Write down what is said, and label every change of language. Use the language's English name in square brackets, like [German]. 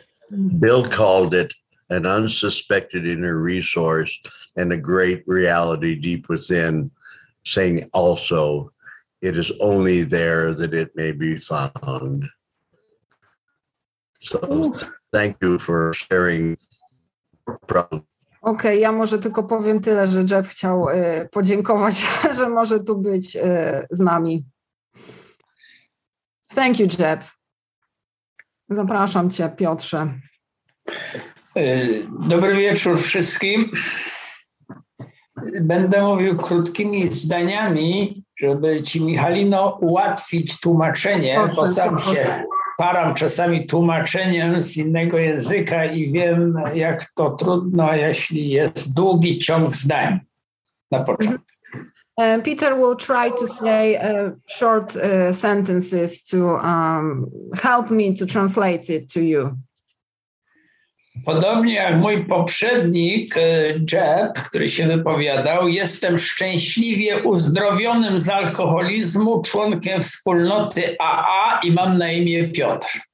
[English] Bill called it an unsuspected inner resource and a great reality deep within, saying also, it is only there that it may be found. So thank you for sharing. [Polish] Okej, ja może tylko powiem tyle, że Jeb chciał podziękować, że może tu być z nami. [English] Thank you, Jeb. [Polish] Zapraszam cię, Piotrze. Dobry wieczór wszystkim. Będę mówił krótkimi zdaniami, żeby ci, Michalino, ułatwić tłumaczenie, bo sam się param czasami tłumaczeniem z innego języka i wiem, jak to trudno, jeśli jest długi ciąg zdań na początku. [English] Peter will try to say short sentences to help me to translate it to you. [Polish] Podobnie jak mój poprzednik, Jeb, który się wypowiadał, jestem szczęśliwie uzdrowionym z alkoholizmu, członkiem wspólnoty AA i mam na imię Piotr.